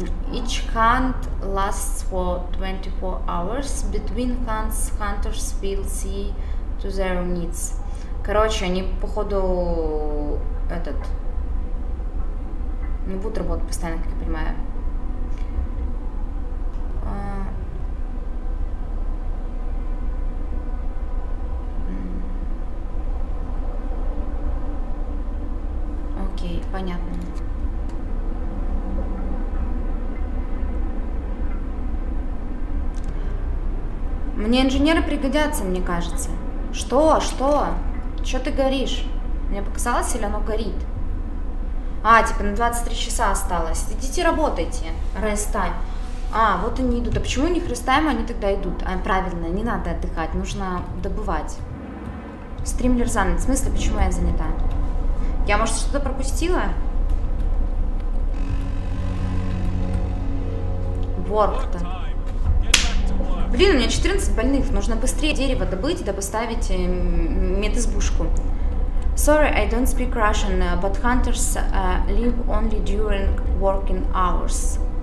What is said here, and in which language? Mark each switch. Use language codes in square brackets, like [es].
[en] Each hunt lasts for 24 hours. Between hunts, hunters will see to their needs. [ru] Короче, они, походу, этот... Не будут работать постоянно, как я понимаю. Окей, понятно. Мне инженеры пригодятся, мне кажется. Что? Что? Чё ты горишь? Мне показалось, или оно горит? А, типа на 23 часа осталось. Идите работайте. [en] Rest time. [ru] А, вот они идут. А почему у них [en] rest time, [ru] они тогда идут? А, правильно, не надо отдыхать. Нужно добывать. Стримлер занят. В смысле, почему я занята? Я, может, что-то пропустила? Work-то. Блин, у меня 14 больных. Нужно быстрее дерево добыть, да поставить медизбушку. [en] Sorry, I don't speak Russian, but hunters live only during working hours.